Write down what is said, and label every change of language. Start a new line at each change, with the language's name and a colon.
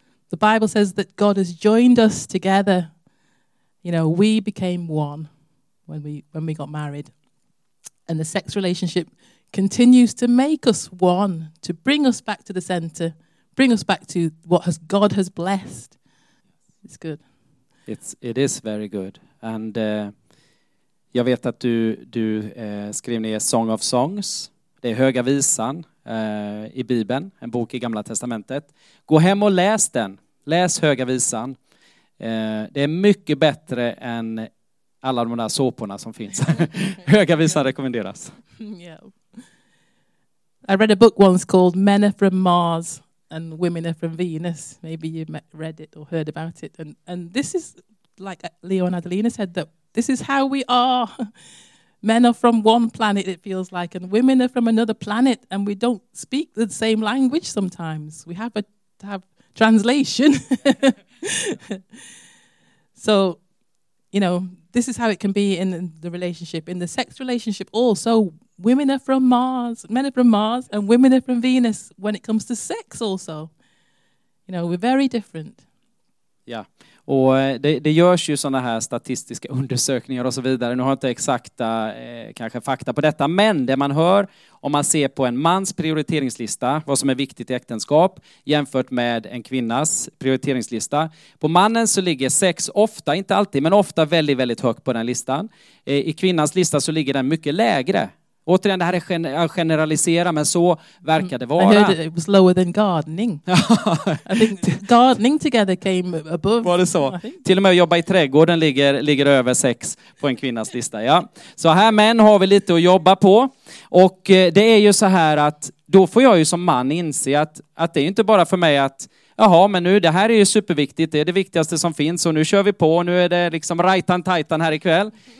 English: The Bible says that God has joined us together. You know, we became one when we got married. And the sex relationship continues to make us one, to bring us back to the center, bring us back to what God has blessed. It's good. It is very good. And
Swedish: jag vet att du skrev ner Song of Songs. Det är höga visan i Bibeln, en bok i Gamla Testamentet. Gå hem och läs den. Läs höga visan. Det är mycket bättre än alla de där såporna som finns. Höga visan rekommenderas.
English: Yeah. I read a book once called Men Are From Mars and Women Are From Venus. Maybe you read it or heard about it. And this is, like Leo and Adelina said, that this is how we are. Men are from one planet, it feels like, and women are from another planet, and we don't speak the same language sometimes. We have to have translation. So, you know, this is how it can be in the relationship. In the sex relationship also, men are from Mars, and women are from Venus when it comes to sex also. You know, we're very different. Yeah.
Swedish: Och det görs ju sådana här statistiska undersökningar och så vidare. Nu har jag inte exakta kanske fakta på detta. Men det man hör, om man ser på en mans prioriteringslista, vad som är viktigt i äktenskap, jämfört med en kvinnas prioriteringslista. På mannen så ligger sex ofta, inte alltid, men ofta väldigt, väldigt högt på den listan. I kvinnans lista så ligger den mycket lägre. Återigen, det här är generalisera, men så verkar det vara.
English: I heard it was lower than gardening. I think gardening together came above.
Swedish: Var det så? Till och med att jobba i trädgården ligger över sex på en kvinnas lista. Ja. Så här, män, har vi lite att jobba på. Och det är ju så här att då får jag ju som man inse att det är inte bara för mig att jaha, men nu, det här är ju superviktigt. Det är det viktigaste som finns och nu kör vi på. Nu är det liksom rajtan tajtan här ikväll.